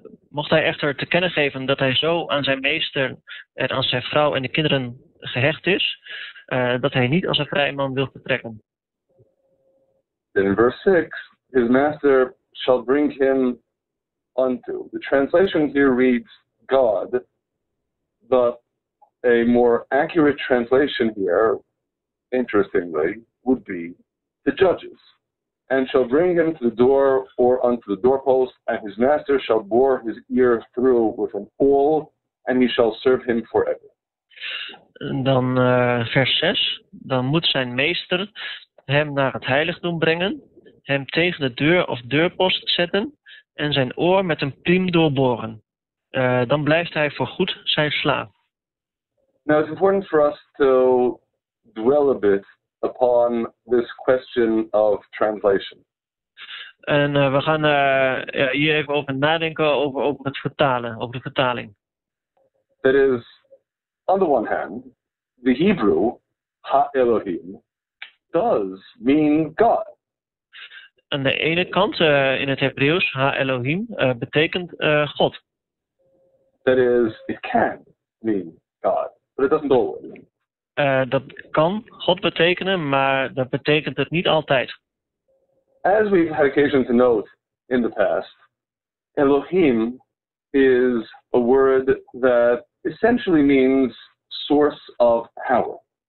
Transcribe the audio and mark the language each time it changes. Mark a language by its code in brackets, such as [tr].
[nl] Mocht hij echter te kennen geven dat hij zo aan zijn meester en aan zijn vrouw en de kinderen gehecht is, dat hij niet als een vrije man wil vertrekken. [en] In verse 6, his master shall bring him unto. The translation here reads God, but a more accurate translation here, interestingly, would be the judges. And shall bring him to the door or unto the doorpost, and his master shall bore his ear through with an awl, and he shall serve him forever. [nl] Dan vers 6. Dan moet zijn meester hem naar het heiligdom brengen, hem tegen de deur of deurpost zetten en zijn oor met een priem doorboren. Dan blijft hij voorgoed zijn slaaf. [en] Now it's important for us to dwell a bit upon this question of translation. [nl] En we gaan hier even over nadenken over het vertalen, over de vertaling. [en] That is, on the one hand, the Hebrew Ha Elohim does mean God. [nl] Aan de ene kant in het Hebreeuws Ha Elohim betekent God. [en] That is, it can mean God, but it doesn't always. [nl] Dat kan God betekenen, maar dat betekent het niet altijd. [en] As we've had occasion to note in the past, Elohim is a word that essentially means source of power.